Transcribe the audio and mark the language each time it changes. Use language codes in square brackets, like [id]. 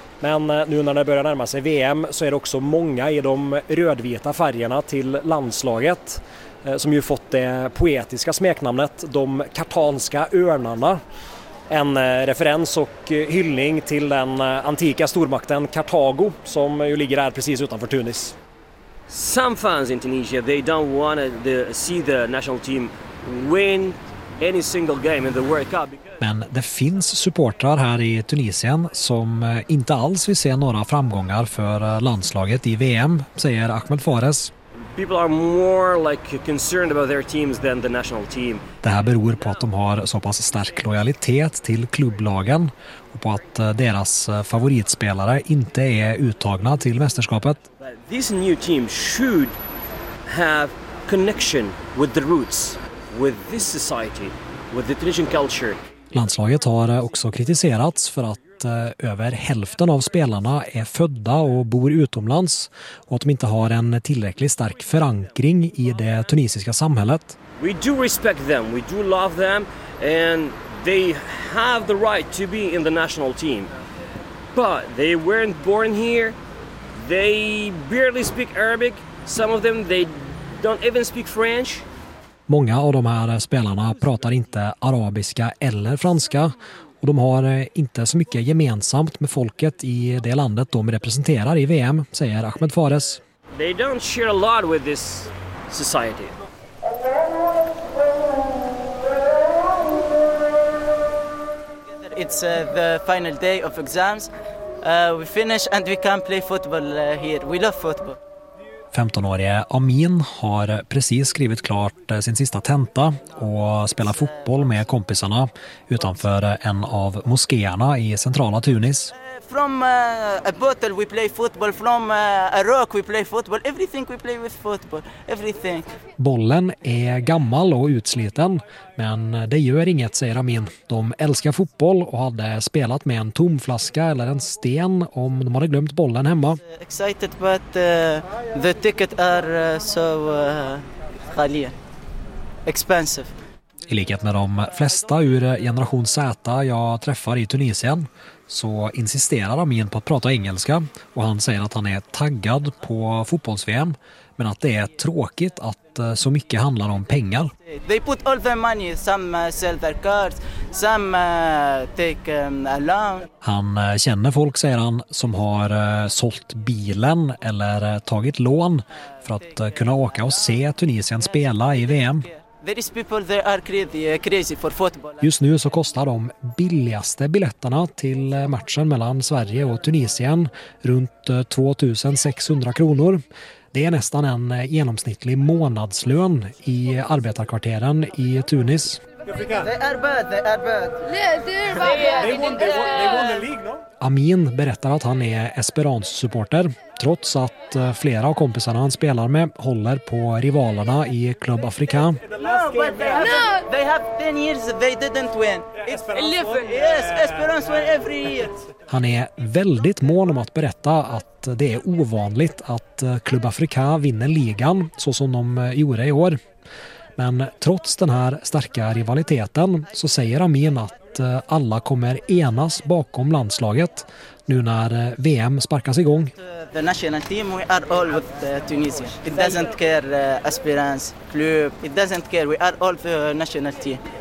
[sv] Men nu när det börjar närma sig VM så är det också många i de rödvita färgerna till landslaget som ju fått det poetiska smeknamnet de kartanska örnarna. En referens och hyllning till den antika stormakten Kartago som ju ligger här precis utanför Tunis. [en] Some fans in Tunisia, they don't want to see the national team win any single game in the World Cup. [sv] Men det finns supportrar här i Tunisien som inte alls vill se några framgångar för landslaget i VM, säger Ahmed Fares. [en] People are more like concerned about their teams than the national team. [sv] Det här beror på att de har så pass stark lojalitet till klubblagen och på att deras favoritspelare inte är uttagna till mästerskapet. [en] This new team should have connection with the roots, with this society, with the Tunisian culture. [sv] Landslaget har också kritiserats för att över hälften av spelarna är födda och bor utomlands och att de inte har en tillräckligt stark förankring i det tunisiska samhället. [en] We do respect them, we do love them, and they have the right to be in the national team. But they weren't born here, they barely speak Arabic, some of them they don't even speak French. [sv] Många av de här spelarna pratar inte arabiska eller franska och de har inte så mycket gemensamt med folket i det landet de representerar i VM, säger Ahmed Fares. [en] They don't share a lot with this society. It's the final day of exams. We finish and we can play football here. We love football. [sv] 15-årige Amin har precis skrivit klart sin sista tenta och spelar fotboll med kompisarna utanför en av moskéerna i centrala Tunis. [en] From a bottle we play football, from a rock we play football, everything we play with football, everything. [sv] Bollen är gammal och utsliten, men det gör inget, säger Amin. De älskar fotboll och hade spelat med en tom flaska eller en sten om de hade glömt bollen hemma. [en] Excited, but the ticket are so high, expensive. [sv] I likhet med de flesta ur generation Z jag träffar i Tunisien så insisterar Amin på att prata engelska och han säger att han är taggad på fotbolls-VM men att det är tråkigt att så mycket handlar om pengar. [en] They put all the money, some sell their cars, some take a loan. [sv] Han känner folk, säger han, som har sålt bilen eller tagit lån för att kunna åka och se Tunisien spela i VM. [en] There is people that are crazy for football. [sv] Just nu så kostar de billigaste biljetterna till matchen mellan Sverige och Tunisien runt 2600 kronor. Det är nästan en genomsnittlig månadslön i arbetarkvarteren i Tunis. Amin berättar att han är Esperance-supporter trots att flera av kompisarna han spelar med håller på rivalerna i Club Africa. [en] They have 10 years they didn't win. Yes, Esperance won every year. [sv] Han är väldigt mån om att berätta att det är ovanligt att Club Africa vinner ligan så som de gjorde i år. Men trots den här starka rivaliteten så säger Amin att alla kommer enas bakom landslaget nu när VM sparkas igång. [en] The national team, we are all with Tunisia. It doesn't care aspirants, club. It doesn't care, we are all the national team.